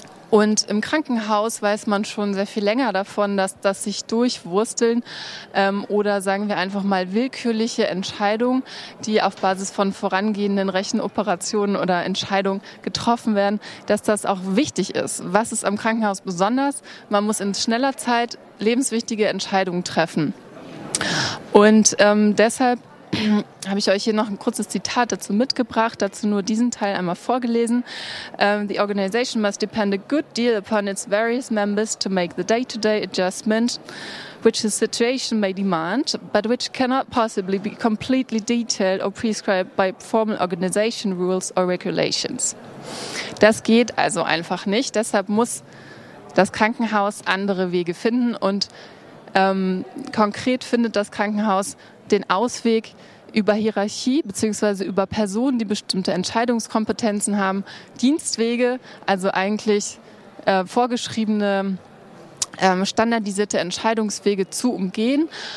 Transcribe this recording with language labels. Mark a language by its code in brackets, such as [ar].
[de] Und im Krankenhaus weiß man schon sehr viel länger davon, dass das sich durchwursteln oder sagen wir einfach mal willkürliche Entscheidungen, die auf Basis von vorangehenden Rechenoperationen oder Entscheidungen getroffen werden, dass das auch wichtig ist. Was ist am Krankenhaus besonders? Man muss in schneller Zeit lebenswichtige Entscheidungen treffen. Und deshalb habe ich euch hier noch ein kurzes Zitat dazu mitgebracht, dazu nur diesen Teil einmal vorgelesen. [en] The organization must depend a good deal upon its various members to make the day-to-day adjustment, which the situation may demand, but which cannot possibly be completely detailed or prescribed by formal organization rules or regulations. [de] Das geht also einfach nicht. Deshalb muss das Krankenhaus andere Wege finden und konkret findet das Krankenhaus den Ausweg über Hierarchie bzw. über Personen, die bestimmte Entscheidungskompetenzen haben, Dienstwege, also eigentlich vorgeschriebene, standardisierte Entscheidungswege zu umgehen.